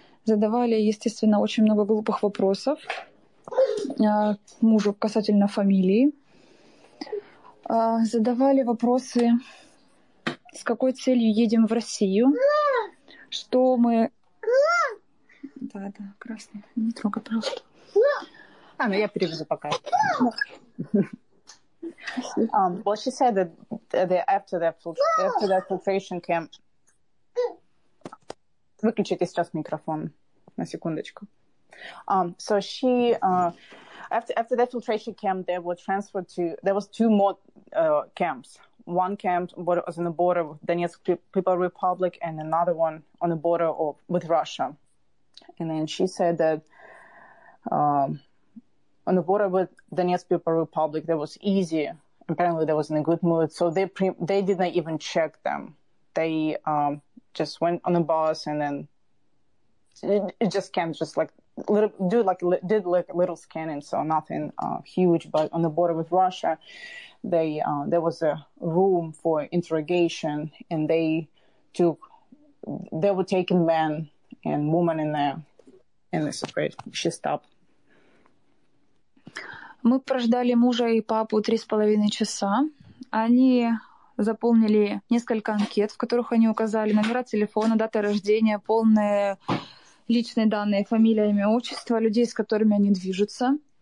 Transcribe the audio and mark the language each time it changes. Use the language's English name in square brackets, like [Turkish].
[Russian] Задавали, естественно, очень много глупых вопросов мужу касательно фамилии. Задавали вопросы, с какой целью едем в Россию, что мы... Да-да, красный, не трогай, пожалуйста. А, ну я перевезу пока. [English] Well, she said that after that filtration camp... [Russian] Выключите сейчас микрофон. На секундочку. [English] So she after the filtration camp, they were transferred to. There was two more camps. One camp was on the border of Donetsk People's Republic, and another one on the border of with Russia. And then she said that on the border with Donetsk People's Republic, that was easy. Apparently, they was in a good mood, so they did not even check them. They just went on a bus and then. It just can't just like little, do like did like a little scanning, so nothing huge. But on the border with Russia, they there was a room for interrogation, and they were taking men and women in there, and this is great. She stopped. [Russian] Мы прождали мужа и папу 3.5 часа. Они заполнили несколько анкет, в которых они указали номера телефона, даты рождения, полные личные данные, фамилия, имя, отчество, людей, с которыми они движутся.